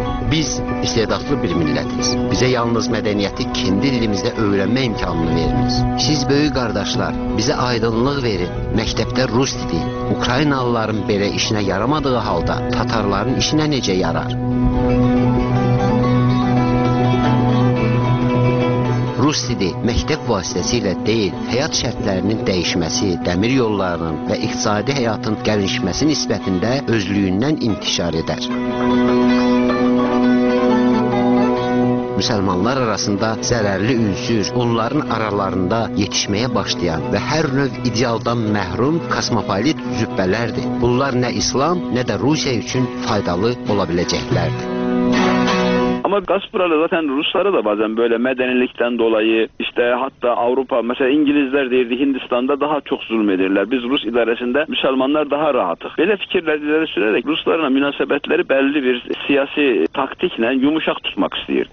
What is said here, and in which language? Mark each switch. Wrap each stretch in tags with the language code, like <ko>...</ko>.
<tr>Biz istedatlı bir milletiz. Bize yalnız medeniyeti kendi dilimizde öğrenme imkanını veriniz. Siz büyük kardeşler, bize aydınlık verin. Mektepte Rus dili, Ukraynalıların böyle işine yaramadığı halde Tatarların işine nece yarar?</tr> <az>Rus dili məktəb vasitəsilə deyil, həyat şərtlərinin dəyişməsi, dəmir yollarının və iqtisadi həyatın gəlişməsi nisbətində özlüyündən intişar edər. Müslümanlar arasında zərərli ünsür, onların aralarında yetişməyə başlayan və hər növ idealdan məhrum kosmopolit zübbələrdir. Bunlar nə İslam, nə də Rusiya üçün faydalı ola biləcəklərdir.</az> <tr>Ama Gaspralı zaten Rusları da bazen böyle medenilikten dolayı işte hatta Avrupa mesela İngilizler deyirdi Hindistan'da daha çok zulmedirler. Biz Rus idaresinde Müslümanlar daha rahatız. Böyle fikirleri sürerek Ruslarına münasebetleri belli bir siyasi taktikle yumuşak tutmak istiyordu.</tr>